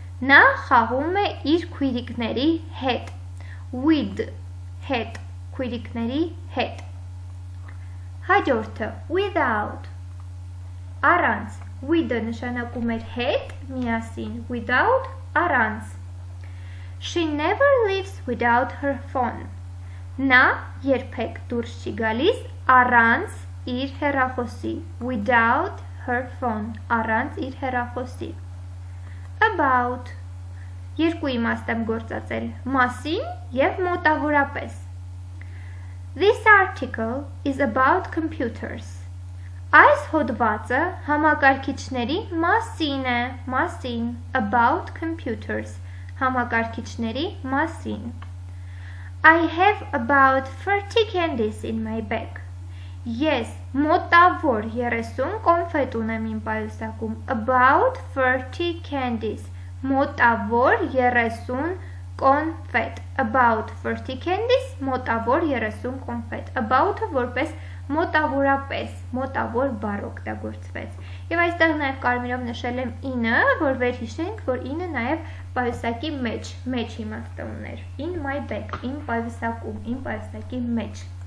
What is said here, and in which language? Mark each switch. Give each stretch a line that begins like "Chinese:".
Armenian: Նա խաղում է իր քույրիկների հետ։ With, հետ, քույրիկների հետ։ Հաջորդը, without, առանց, with-ը նշանակում էր հետ, միասին, without, առանց։
English: She never lives without her phone.
Armenian: Նա երբեք դուրս չի գալիս առանց իր հեռախոսի.
English: Without her phone.
Armenian: Առանց իր հեռախոսի.
English: About.
Armenian: Երկու իմաստ եմ գործածել. Մասին և մոտավորապես.
English: This article is about computers.
Armenian: Այս հոդվածը համակարգիչների մասին է, մասին,
English: about computers,
Armenian: համակարգիչների մասին.
English: I have about 30 candies in my bag.
Armenian: Ես մոտավոր 30 կոնֆետ ունեմ իմ պայուսակում,
English: about 30 candies,
Armenian: մոտավոր 30 կոնֆետ, about 30 candies, մոտավոր 30 կոնֆետ, about-ը որպես մոտավորապես, մոտավոր բառ օգտագործվեց։ Եվ այստեղ նաև կարմիրով նշել եմ ինը, որ վերհիշենք, որ ինը նաև պայուսակի մեջ, մեջ իմաստը ուներ։
English: In my bag,
Armenian: in պայուսակում, in պայուսակի մեջ։